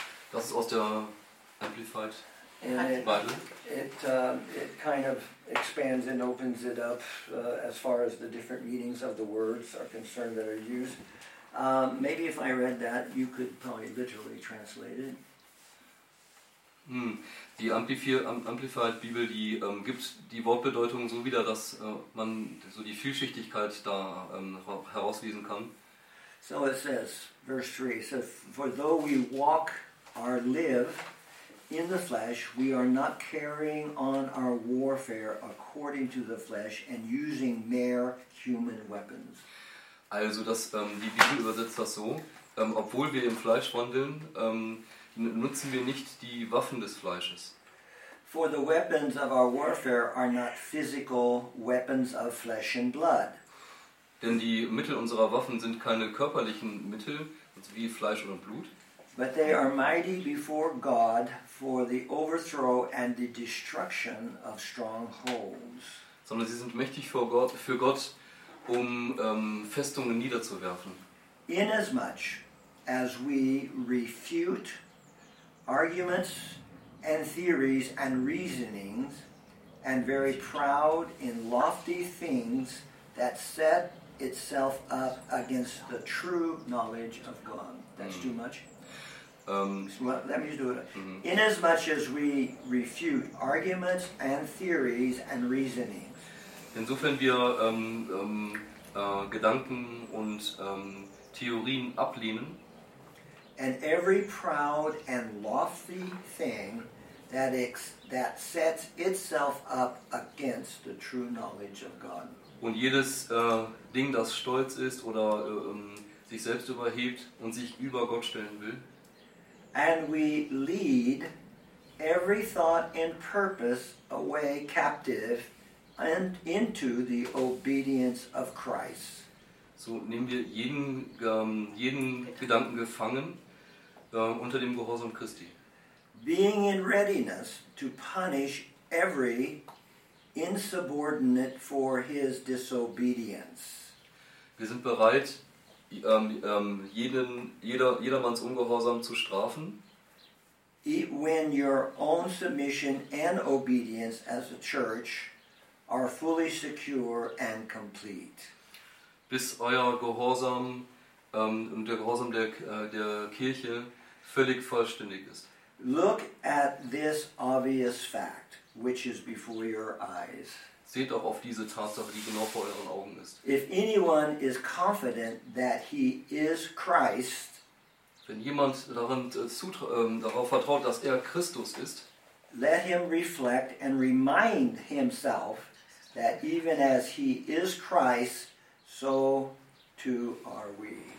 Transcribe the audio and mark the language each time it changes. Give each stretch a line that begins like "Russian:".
German: Das ist aus der Amplified Bible.
English: It kind of expands and opens it up as far as the different meanings of the words are concerned that are used. Maybe if I read that, you could probably literally translate it. Hm.
German: Die Amplified Bibel, die gibt die Wortbedeutung so wieder, dass man so die Vielschichtigkeit da herauslesen kann.
English: So it says, verse 3, it says, for though we walk or live in the flesh, we are not carrying on our warfare according to the flesh and using mere human weapons.
German: Also das, die Bibel übersetzt das so, obwohl wir im Fleisch wandeln, nutzen wir nicht die Waffen des Fleisches.
English: For the weapons of our warfare are not physical weapons of flesh and blood.
German: Denn die Mittel unserer Waffen sind keine körperlichen Mittel, wie Fleisch oder Blut.
English: But they are mighty before God for the overthrow and the destruction of strongholds.
German: Sondern sie sind mächtig vor Gott, für Gott, um Festungen niederzuwerfen.
English: Inasmuch as we refute arguments and theories and reasonings and very proud in lofty things that set itself up against the true knowledge of God. That's too much. Let me just do it. Inasmuch as we refute arguments and theories and reasonings.
German: Insofern wir Gedanken und Theorien ablehnen.
English: And every proud and lofty thing that that sets itself up against the true knowledge of God.
German: Und jedes Ding, das stolz ist oder sich selbst überhebt und sich über Gott stellen will.
English: And we lead every thought and purpose away captive and into the obedience of Christ.
German: So nehmen wir jeden Gedanken gefangen. Unter dem Gehorsam Christi.
English: Being in readiness to punish every insubordinate for his disobedience.
German: Wir sind bereit, jedermanns Ungehorsam zu strafen.
English: When your own submission and obedience as a church are fully secure and complete.
German: Bis euer Gehorsam und der Gehorsam der Kirche völlig vollständig ist.
English: Look at this obvious fact, which is before your eyes.
German: Seht doch auf diese Tatsache, die genau vor euren Augen ist.
English: If anyone is confident that he is Christ,
German: wenn jemand daran darauf vertraut, dass er Christus ist,
English: let him reflect and remind himself that even as he is Christ, so too are we.